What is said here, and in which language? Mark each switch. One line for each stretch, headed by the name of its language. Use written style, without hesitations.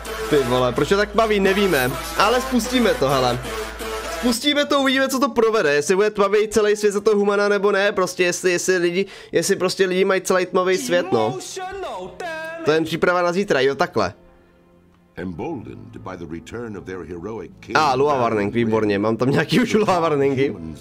Czech: Ty vole, proč je tak tmavý, nevíme. Ale spustíme to, hele. Spustíme to, uvidíme, co to provede. Jestli bude tmavý celý svět za to humana, nebo ne. Prostě jestli lidi mají celý tmavý svět, no. To je příprava na zítra, jo, takhle.
English: Emboldened by the return of their heroic king.
Czech: Ah, Lua Warning, výborně, mám tam nějaký už Lua Warningy.